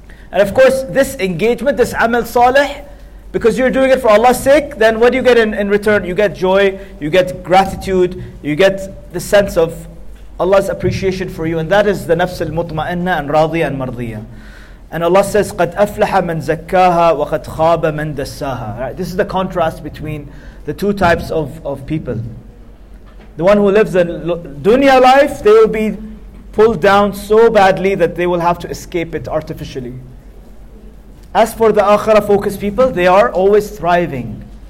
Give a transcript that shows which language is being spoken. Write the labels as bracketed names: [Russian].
[English] And of course, this engagement, this amal salih, because you're doing it for Allah's sake, then what do you get in return? You get joy, you get gratitude, you get the sense of Allah's appreciation for you. And that is the nafs al-mutma'inna and radiya and mardiya. And Allah says, [Arabic] قَدْ أَفْلَحَ مَنْ زَكَّاهَا وَقَدْ خَابَ مَنْ دَسَّاهَا. [English] Right? This is the contrast between the two types of people. The one who lives a dunya life, they will be pulled down so badly that they will have to escape it artificially. As for the akhira focused people, they are always thriving.